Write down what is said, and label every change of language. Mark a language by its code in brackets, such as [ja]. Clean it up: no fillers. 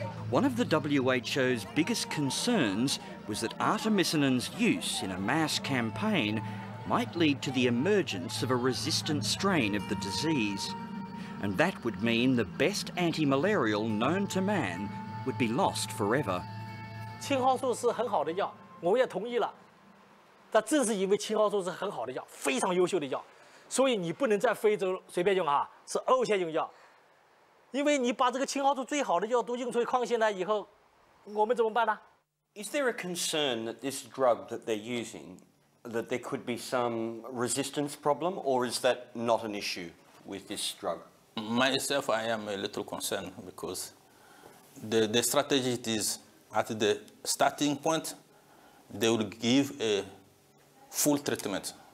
[en] One of the WHO's biggest concerns was that artemisinin's use in a mass campaign might lead to the emergence of a resistant strain of the disease. And that would mean the best anti-malarial known to man would be lost forever. [zh] 青蒿素是很好的药，我也同意了。但正是因为青蒿素是很好的药，非常优秀的药，所以你不能在非洲随便用哈，是欧洲用药。因为你把这个青蒿素最好的药都用出抗性来以后，我们怎么办呢？ [en] Is there a concern that this drug that they're using, that there could be some resistance problem, or is that not an issue with this drug? Myself, I am a little concerned because the strategy is at the starting point, they will give a full treatment.